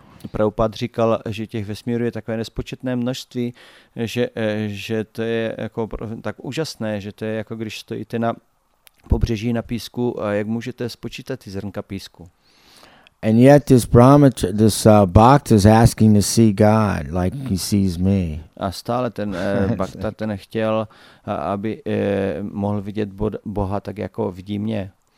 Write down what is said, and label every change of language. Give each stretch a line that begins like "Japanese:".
Czech: Prabhupad říkal, že těch vesmíru je takové nespočetné množství, že to je jako tak úžasné, že to je jako když stojíte na pobřeží na písku, a jak můžete spočítat ty zrnka písku?
English: And yet this bhakta is asking to see God like he sees me.
Czech: A stále ten bhakta ten chtěl, aby mohl vidět Boha tak jako vidí mě.